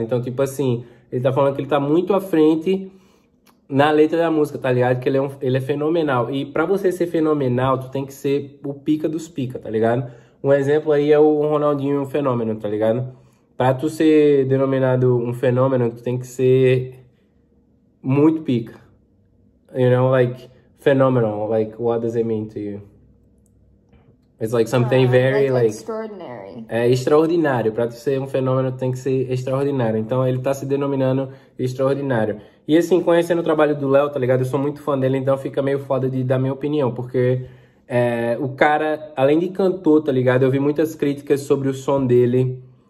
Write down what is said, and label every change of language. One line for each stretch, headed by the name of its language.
Portuguese: Então, tipo assim, ele tá falando que ele tá muito à frente na letra da música, tá ligado? Que ele é fenomenal. E pra você ser fenomenal, tu tem que ser o pica dos pica, tá ligado? Um exemplo aí é o Ronaldinho Fenômeno, tá ligado? Pra tu ser denominado um fenômeno, tu tem que ser muito pica.
English: You know, like, phenomenal. Like, what does it mean to you? It's like something very, Like like. extraordinary.
Portuguese: É extraordinário. Pra tu ser um fenômeno, tem que ser extraordinário. Então ele tá se denominando extraordinário. E assim, conhecendo o trabalho do Léo, tá ligado? Eu sou muito fã dele, então fica meio foda de dar minha opinião, porque É, o cara, além de cantor, tá ligado? Eu vi muitas críticas sobre o som dele.